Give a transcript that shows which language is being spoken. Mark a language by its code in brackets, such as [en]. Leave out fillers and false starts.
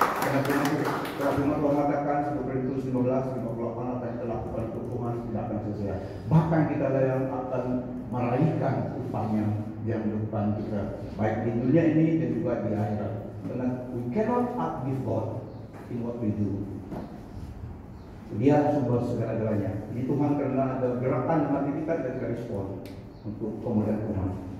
[id] Kalau firman Tuhan katakan 1 Korintus 15:58 yang telah kepada Tuhan tidak akan sia-sia. Bahkan kita ada yang akan meraihkan upahnya yang depan kita, baik di dunia ini dan juga di akhirat. Karena [en] we cannot outgive God in what we do. [id] Dia sumber segala-galanya. Jadi Tuhan karena ada gerakan hati kita dan kita respon untuk kemuliaan Tuhan.